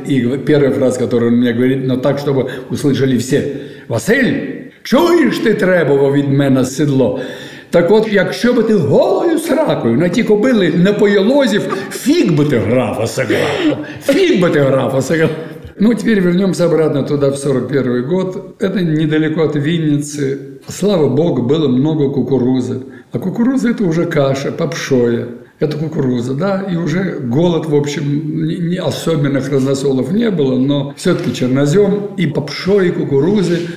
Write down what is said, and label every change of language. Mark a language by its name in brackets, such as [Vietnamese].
[Russian] И первая фраза, которую он мне говорит, но так, чтобы услышали все: «Василь, чуешь, ты требовал [Ukrainian] від мене [Russian] седло? [Ukrainian] Так вот, якщо би ти голою сракою на ті кобили не поєлозів, фіг би ти графа сыграв. Фіг би ти графа сыграв». [Russian] Ну, теперь вернемся обратно туда, в 41-й год. Это недалеко от Винницы. Слава богу, было много кукурузы. А кукуруза – это уже каша, попшоя. Это кукуруза, да. И уже голод, в общем, не особенных разносолов не было, но все-таки чернозем и попшоя, и кукурузы.